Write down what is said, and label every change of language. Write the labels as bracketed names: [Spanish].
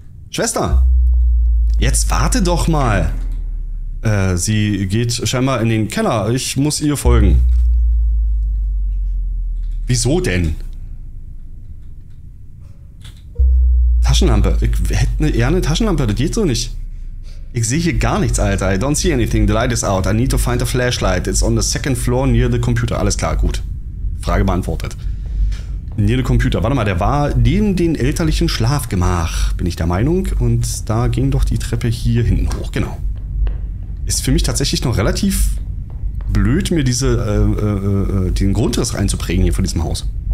[German] Schwester! Jetzt warte doch mal! Sie geht scheinbar in den Keller. Ich muss ihr folgen. Wieso denn? Taschenlampe. Ich hätte eher eine Taschenlampe. Das geht so nicht. Ich sehe hier gar nichts, Alter. [English] I don't see anything. The light is out. I need to find a flashlight. It's on the second floor near the computer. [German] Alles klar, gut. Frage beantwortet. [English] Near the computer. [German] Warte mal, der war neben dem elterlichen Schlafgemach, bin ich der Meinung. Und da ging doch die Treppe hier hinten hoch. Genau. Ist für mich tatsächlich noch relativ blöd, mir diese den Grundriss reinzuprägen hier von diesem Haus.